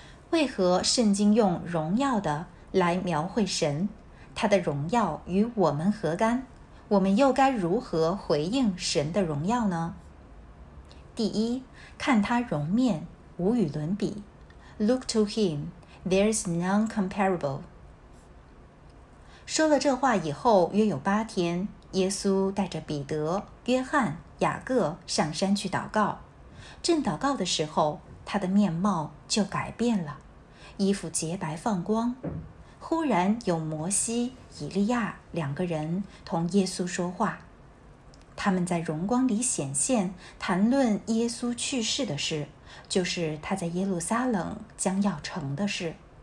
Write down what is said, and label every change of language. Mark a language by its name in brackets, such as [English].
[Chinese] 为何圣经用荣耀的来描绘神？他的荣耀与我们何干？我们又该如何回应神的荣耀呢？第一，看他容面，无与伦比。 [English] Look to him, there's none comparable. [Chinese] 说了这话以后，约有8天，耶稣带着彼得、约翰、雅各上山去祷告。正祷告的时候，他的面貌就改变了，衣服洁白放光。忽然有摩西、以利亚两个人同耶稣说话，他们在荣光里显现，谈论耶稣去世的事，就是他在耶路撒冷将要成的事。